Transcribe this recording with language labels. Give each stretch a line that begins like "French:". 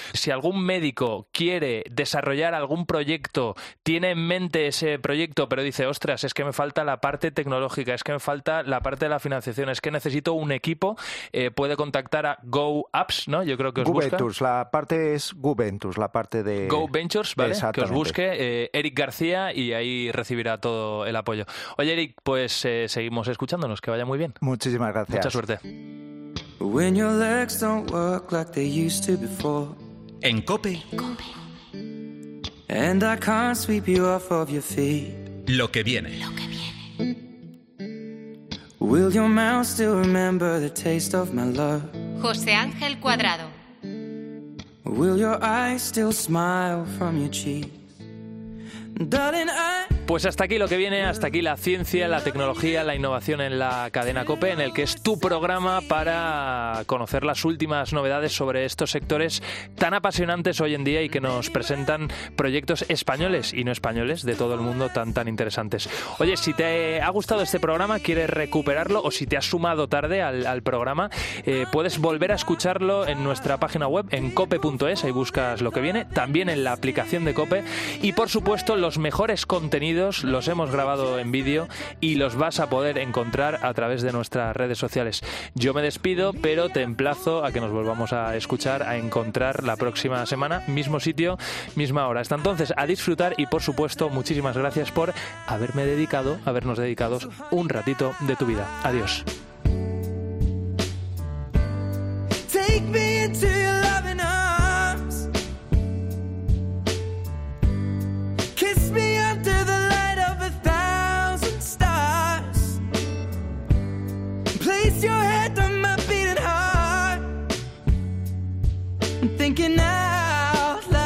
Spanish: Si algún médico quiere desarrollar algún proyecto, tiene en mente ese proyecto, pero dice, ostras, es que me falta la parte tecnológica, es que me falta la parte de la financiación, es que necesito un equipo, puede contactar a Go Apps, ¿no? Yo creo que os busca. GoVentures, la parte es GoVentures, la parte de... Go Ventures, ¿vale? Que os busque Eric García y ahí recibirá todo el apoyo. Oye, Eric, pues seguimos escuchándonos, que vaya muy bien. Muchísimas gracias. Mucha suerte.
English: When your legs don't work like they used to before.
Spanish: En COPE.
English: And I can't sweep you off of your feet.
Spanish: Lo que viene. Lo que viene.
English: Will your mouth still remember the taste of my love?
Spanish: José Ángel Cuadrado.
English: Will your eyes still smile from your cheeks?
Spanish: Pues hasta aquí lo que viene, hasta aquí la ciencia, la tecnología, la innovación en la cadena COPE, en el que es tu programa para conocer las últimas novedades sobre estos sectores tan apasionantes hoy en día y que nos presentan proyectos españoles y no españoles de todo el mundo tan tan interesantes. Oye, si te ha gustado este programa, quieres recuperarlo o si te has sumado tarde al programa, puedes volver a escucharlo en nuestra página web en cope.es, ahí buscas lo que viene, también en la aplicación de COPE y por supuesto los mejores contenidos sonidos los hemos grabado en vídeo y los vas a poder encontrar a través de nuestras redes sociales. Yo me despido, pero te emplazo a que nos volvamos a escuchar, a encontrar la próxima semana, mismo sitio, misma hora. Hasta entonces, a disfrutar y, por supuesto, muchísimas gracias por habernos dedicado un ratito de tu vida. Adiós.
English: Take me into your loving arms. Kiss me under the light of a thousand stars. Place your head on my beating heart. I'm thinking now.